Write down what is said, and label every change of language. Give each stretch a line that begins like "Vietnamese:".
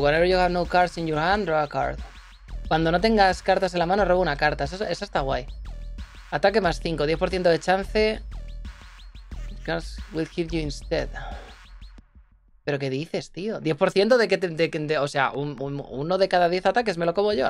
English: Whenever you have no cards in your hand, draw a card.
Spanish: Cuando no tengas cartas en la mano, robo una carta. Esa está guay. Ataque más 5. 10% de chance.
English: Cards will hit you instead.
Spanish: ¿Pero qué dices, tío? ¿10% de que o sea, uno de cada 10 ataques me lo como yo?